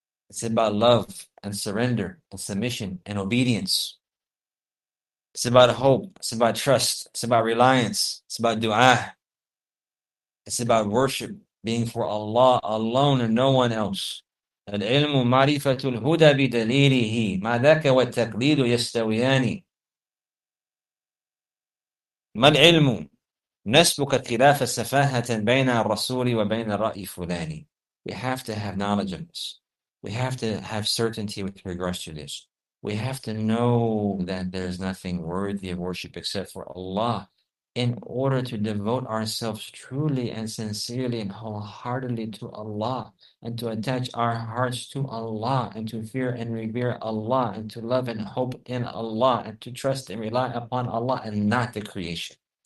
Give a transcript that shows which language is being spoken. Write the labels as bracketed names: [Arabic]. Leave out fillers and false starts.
[English] It's about love and surrender and submission and obedience. It's about hope. It's about trust. It's about reliance. It's about dua. It's about worship, being for Allah alone and no one else. [Arabic] العلم معرفة الهدى بدليله ما ذاك والتقليد يستويان. ما العلم نسبك خلاف السفاهة بين الرسول وبين الرأي فلاني. [English] We have to have knowledge of this. We have to have certainty with regards to this. We have to know that there is nothing worthy of worship except for Allah in order to devote ourselves truly and sincerely and wholeheartedly to Allah, and to attach our hearts to Allah, and to fear and revere Allah, and to love and hope in Allah, and to trust and rely upon Allah and not the creation.